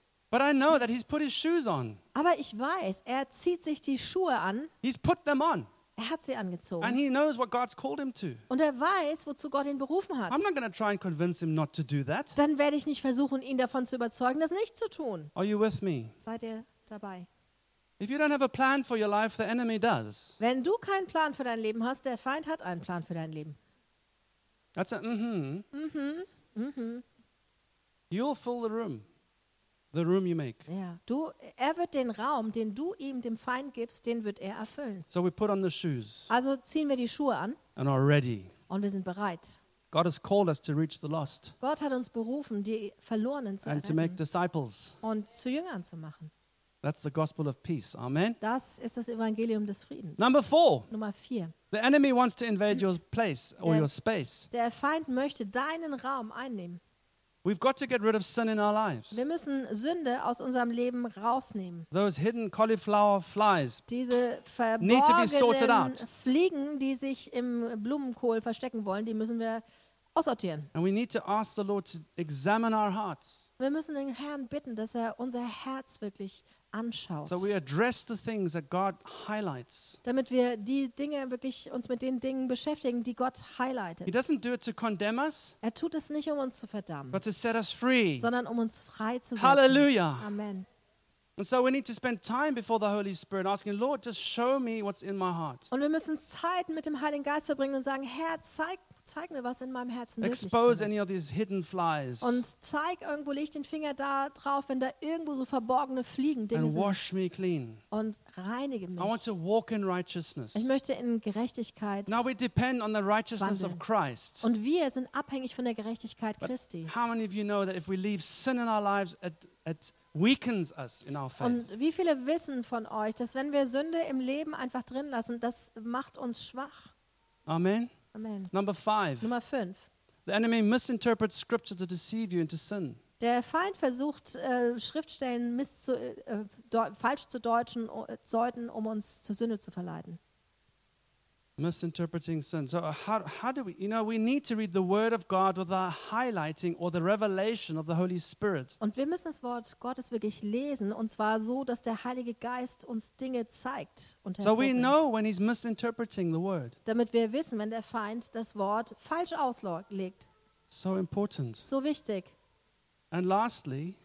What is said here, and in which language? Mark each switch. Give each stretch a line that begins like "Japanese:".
English: But I know that he's put his shoes on.
German: Aber ich weiß, er zieht sich die Schuhe an.
English: He's put them on.
German: Er hat sie angezogen.
English: And he knows what God's called him to.
German: Und er weiß, wozu Gott ihn berufen hat.
English: I'm not going to try and convince him not to do that.
German: Dann werde ich nicht versuchen, ihn davon zu überzeugen, das nicht zu tun.
English: Are you with me?
German: Seid ihr dabei?
English: If you don't have a plan for your life, the enemy does.
German: Wenn du keinen Plan für dein Leben hast, der Feind hat einen Plan für dein Leben.
English: That's a mm-hmm. Mm-hmm. You'll fill the room. The room you make.
German: Ja, er wird den Raum, den du ihm, dem Feind gibst, den wird er erfüllen.
English: So we put on the shoes.
German: Also ziehen wir die Schuhe an.
English: And are ready.
German: Und wir sind bereit.
English: God has called us to reach the lost.
German: Gott hat uns berufen, die Verlorenen zu erreichen.
English: And to make disciples.
German: Und zu Jüngern zu machen.
English: That's the gospel of peace. Amen.
German: Das ist das Evangelium des Friedens. Nummer vier.
English: The enemy wants to invade your place or your space.
German: Der Feind möchte deinen Raum einnehmen.
English: We've got to get rid of sin in our lives.
German: Wir müssen Sünde aus unserem Leben rausnehmen.
English: Those hidden cauliflower flies.
German: Diese verborgenen Fliegen, die sich im Blumenkohl verstecken wollen, die müssen wir aussortieren.
English: And we need to ask the Lord to examine our hearts.
German: Wir müssen den Herrn bitten, dass er unser Herz wirklich anschaut.
English: So we address the things that God highlights.
German: Damit wir die Dinge wirklich uns mit den Dingen beschäftigen, die Gott highlightet.
English: He doesn't do it to condemn us.
German: Er tut es nicht, um uns zu verdammen.
English: But to set us free.
German: Sondern um uns frei zu setzen. Hallelujah. Amen.
English: And so we need to spend time before the Holy Spirit asking, Lord, just show me what's in my heart.
German: Und wir müssen Zeit mit dem Heiligen Geist verbringen und sagen, Herr, zeig mir, was in meinem Herzen wirklich ist.
English: Expose any of these hidden flies.
German: Und zeig irgendwo, leg den Finger da drauf, wenn da irgendwo so verborgene Fliegen Dinge
English: and
German: sind.
English: Wash me clean.
German: Und reinige mich.
English: I want to walk in righteousness.
German: Ich möchte in Gerechtigkeit
English: Now we depend on the righteousness
German: wandeln.
English: Of Christ.
German: Und wir sind abhängig von der Gerechtigkeit
English: But
German: Christi.
English: How many of you know that if we leave sin in our lives at weakens us in our faith.
German: Und wie viele wissen von euch, dass wenn wir Sünde im Leben einfach drin lassen, das macht uns schwach? Amen. Amen. Nummer fünf.
English: The enemy misinterprets scripture to deceive you into sin.
German: Der Feind versucht, Schriftstellen falsch zu deuten, um uns zur Sünde zu verleiten.
English: Misinterpreting sin. So how do we, you know, we need to read the word of God with the highlighting or the revelation of the Holy Spirit.
German: Und wir müssen das Wort Gottes wirklich lesen, und zwar so, dass der Heilige Geist uns Dinge zeigt. Und
English: so we know when he's misinterpreting the word.
German: Damit wir wissen, wenn der Feind das Wort falsch auslegt.
English: So important.
German: So wichtig.
English: And lastly.